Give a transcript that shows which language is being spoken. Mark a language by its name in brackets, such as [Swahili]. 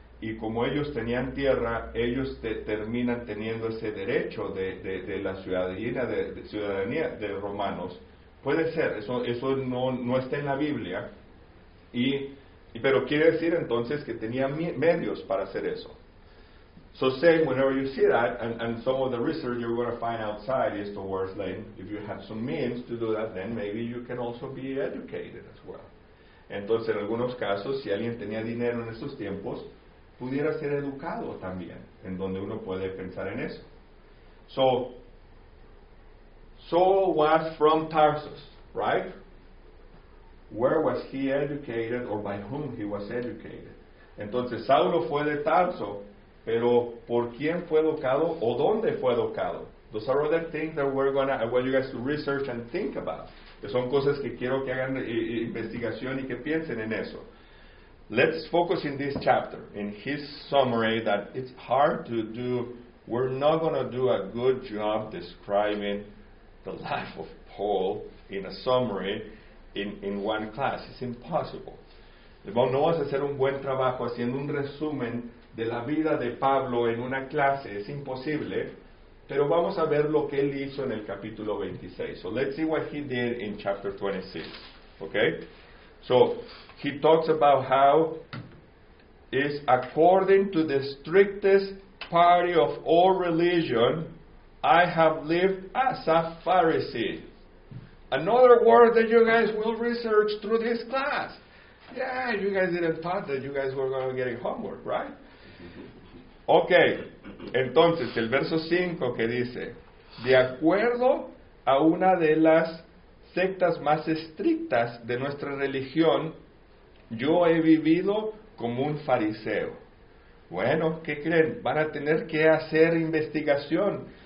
[Spanish] y como ellos tenían tierra, ellos terminan teniendo ese derecho de la ciudadanía de ciudadanía de romanos. Puede ser, eso no está en la Biblia, pero quiere decir entonces que tenían medios para hacer eso. [English] So saying, whenever you see that, and some of the research you're going to find outside is towards like, if you have some means to do that, then maybe you can also be educated as well. [Spanish] Entonces, en algunos casos, si alguien tenía dinero en esos tiempos, pudiera ser educado también, en donde uno puede pensar en eso. [English] So, Saul was from Tarsus, right? Where was he educated, or by whom he was educated? [Spanish] Entonces, Saulo fue de Tarso. Pero ¿por quién fue educado o dónde fue educado? [English] Those are other things that I want you guys to research and think about. [Spanish] Que son cosas que quiero que hagan investigación y que piensen en eso. [English] Let's focus in this chapter, in his summary, that it's hard to do. We're not going to do a good job describing the life of Paul in a summary in one class. It's impossible. [Spanish] No vas a hacer un buen trabajo haciendo un resumen de la vida de Pablo en una clase, es imposible, pero vamos a ver lo que él hizo en el capítulo 26. [English] So let's see what he did in chapter 26. Okay? So he talks about how is according to the strictest party of all religion, I have lived as a Pharisee. Another word that you guys will research through this class. Yeah, you guys didn't thought that you guys were going to get homework, right? [Spanish] Ok, entonces el verso 5 que dice, de acuerdo a una de las sectas más estrictas de nuestra religión, yo he vivido como un fariseo. Bueno, ¿qué creen? Van a tener que hacer investigación.